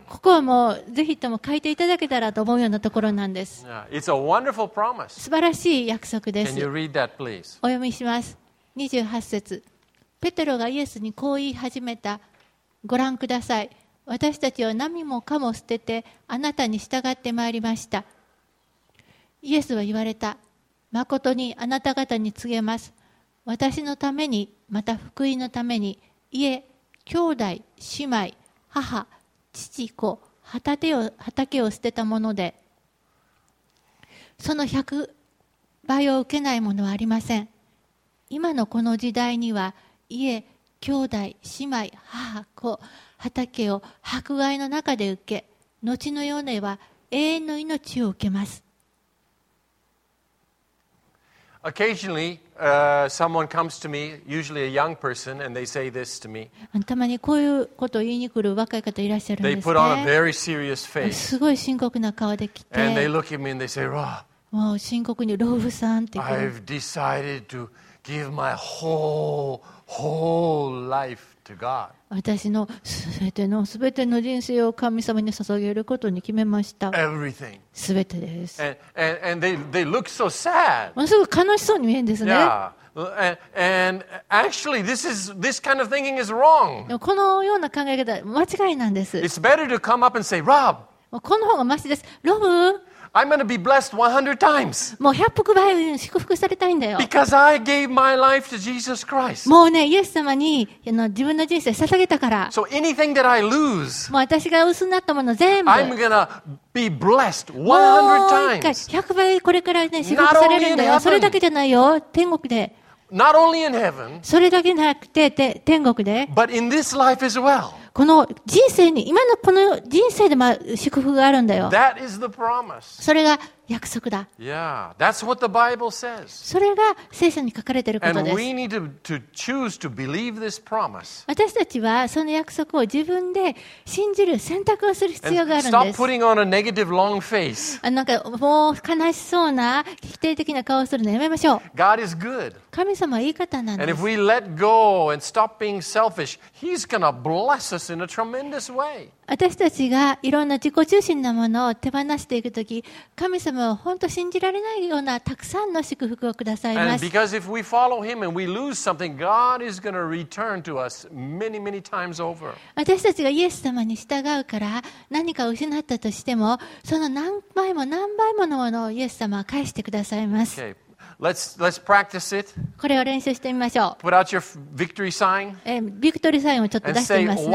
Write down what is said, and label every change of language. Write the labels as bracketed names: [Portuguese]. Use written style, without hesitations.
[Japanese] ここはもうぜひとも書いていただけたらと思うようなところなんです。 [English] It's a wonderful promise. [Japanese] 素晴らしい約束です。 [English] Can you read that, please? [Japanese] お読みします。28節。ペテロがイエスにこう言い始めた。ご覧ください、私たちは何もかも捨ててあなたに従ってまいりました。イエスは言われた、まことにあなた方に告げます、私のために、また福音のために、家、兄弟、姉妹、母、父、子、畑を捨てたものでその100倍を受けないものはありません。今のこの時代には家、兄弟、姉妹、母、子、畑を迫害の中で受け、後の世には永遠の命を受けます。 [English] Occasionally, someone comes to me, usually a young person, and they say this to me. [Japanese] たまにこういうことを言いに来る若い方いらっしゃるんですね。 [English] They put on a very serious face. [Japanese] すごい深刻な顔で来て。 [English] And they look at me and they say, "Oh." [Japanese] もう深刻に老夫さんって [English] 。 I've decided to give my whole life to God. [Japanese] 私のすべての人生を神様に捧げることに決めました。 [English] Everything. [Japanese] すべてです。 [English] And they look so sad. [Japanese] ものすごく悲しそうに見えるんですね。 [English] Yeah. And actually, this kind of thinking is wrong. [Japanese] このような考え方は間違いなんです。 [English] It's better to come up and say, Rob. [Japanese] この方がマシです。ロブ。 [English] I'm going to be blessed 100 times. [Japanese] もう100倍祝福されたいんだよ。 [English] Because I gave my life to Jesus Christ. [Japanese] もうね、イエス様に自分の人生捧げたから。 [English] So anything that I lose. [Japanese] もう私が失ったもの全部。 [English] I'm going to be blessed 100 times. [Japanese] もう一回100倍これからね祝福されるんだよ。それだけじゃないよ、天国で。 [English] Not only in heaven. [Japanese] それだけじゃなくて、天国で。 [English] But in this life as well. [Japanese] この人生に、今のこの人生でも祝福があるんだよ。 [English] That is the promise. [Japanese] それが約束だ。 [English] Yeah, that's what the Bible says. [Japanese] それが聖書に書かれていることです。 [English] And we need to choose to believe this promise. [Japanese] 私たちはその約束を自分で信じる選択をする必要があるんです。 [English] And stop putting on a negative long face. [Japanese] なんかもう悲しそうな否定的な顔をするのやめましょう。 [English] God is good. [Japanese] 神様はいい方なんです。 [English] And if we let go and stop being selfish, He's gonna bless us in a tremendous way. [Japanese] 私たちがいろんな自己中心なものを手放していくとき、神様は本当信じられないようなたくさんの祝福をくださいます。 [English] Because if we follow him and we lose something, God is going to return to us many, many times over. [Japanese] 私たちがイエス様に従うから何か失ったとしても、その何倍も何倍ものものをイエス様は返してくださいます。 [English] Okay. Let's practice it. [Japanese] これを練習してみましょう。 [English] Put out your victory sign. [Japanese] ビクトリーサインをちょっと出してみますね。